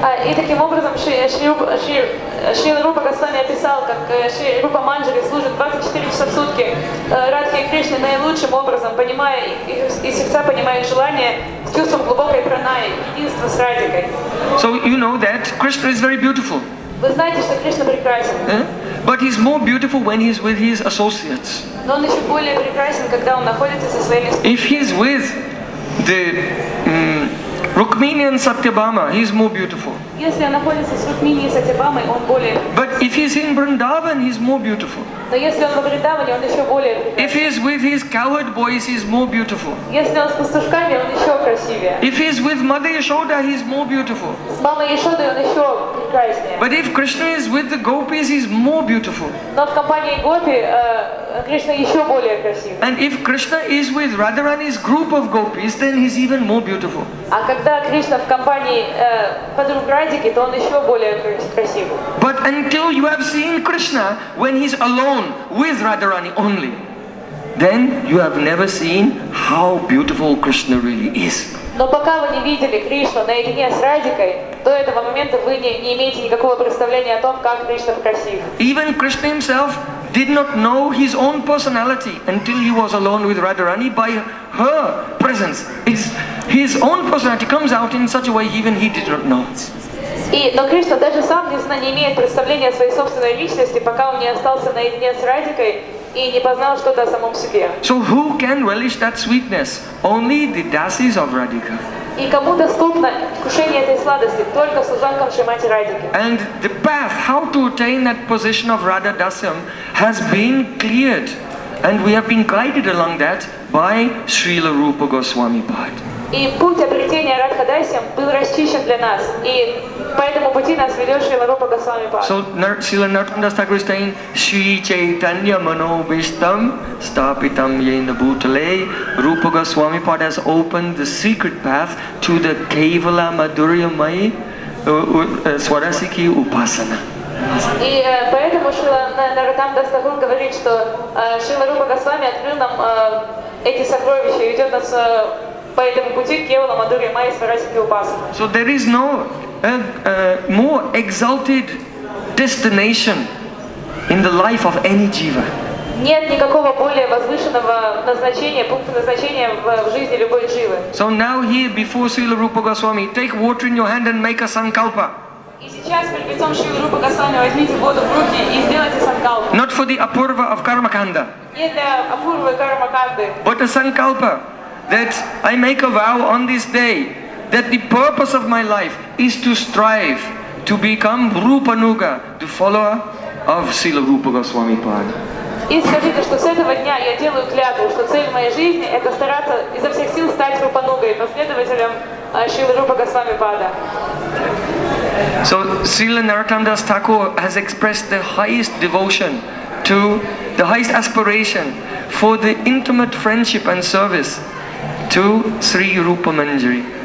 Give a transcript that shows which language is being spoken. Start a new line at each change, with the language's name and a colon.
Russian: И таким образом Шри Рупа Госвами описал, как Шри Рупа Манджари служит 24 часа в сутки Радхе и Кришне наилучшим образом, понимая и сердца понимая желание с чувством глубокой праная, единства с Радхикой.
English: So you know that Krishna is very beautiful.
Russian: Вы знаете, что Кришна прекрасен.
English: But he's more beautiful when he's with his associates.
Russian: Но он еще более прекрасен, когда он находится со своими спутниками.
English: If he's with the Rukmini and Satyabhama, he is more beautiful. But if he is in Vrindavan, he is more beautiful. If he is with his cowherd boys, he is more beautiful. If he is with Mother Yashoda, he is more beautiful. But if Krishna is with the gopis, he is more beautiful. And if Krishna is with Radharani's group of gopis, then he is even more beautiful.
Russian: Кришна в компании подруг Радики, то он еще более красивый.
English: But until you have seen Krishna when he's alone with Radharani only, then you have never seen how beautiful Krishna really is.
Russian: Но пока вы не видели Кришну наедине с Радикой, до этого момента вы не имеете никакого представления о том, как Кришна красив.
English: Even Krishna himself did not know his own personality until he was alone with Radharani by her presence. His own personality comes out in such a way even he did not know.
Russian: Но Кришна даже сам не имеет представления о своей собственной личности, пока он не остался наедине с Радикой и не познал что-то о самом себе.
English: So who can relish that sweetness? Only the dasis of Radhika.
Russian: И кому доступно вкушение этой сладости? Только служанкам Шримати Радики.
English: And the path, how to attain that position of Radha Dasam, has been cleared. And we have been guided along that by Srila Rupa Goswami Pad.
Russian: И путь обретения Радха Дасям был расчищен для нас. И по этому пути нас ведет Шрила Рупа Госвами Пад.
English: So Srila Nartandas Thakur is saying,
Sanskrit: Shri Chaitanya Mano Vishtam Stapitam Yena Bhutale,
English: Rupa Goswami Pad has opened the secret path to the Kevala Madhuryamai Swarasiki Upasana.
Russian: И поэтому Шрила Нартандас Тхакур говорит, что Шрила Рупа Госвами открыл нам эти сокровища и ведет нас по этому пути Кевала Мадури Майи Сварасики Упасана.
English: So there is no more exalted destination in the life of any jiva.
Russian: Нет никакого более возвышенного назначения, пункта назначения в жизни любой живы.
English: So now here before Srila Rupa Goswami, take water in your hand and make a sankalpa.
Russian: И сейчас перед лицом Шрилы Рупа Госвами возьмите воду в руки и сделайте санкалпу.
English: Not for the apurva of karmakanda.
Russian: Не для апурвы кармаканды.
English: But a sankalpa that I make a vow on this day that the purpose of my life is to strive to become Rupanuga, the follower of Srila Rupa Goswami Pad.
Russian: И скажите, что с этого дня я делаю клятву, что цель моей жизни это стараться изо всех сил стать Рупанугой, последователем Шрилы Рупа Госвами Пада.
English: So Srila Nartandas Thakur has expressed the highest devotion to the highest aspiration for the intimate friendship and service to Sri Rupa Manjari.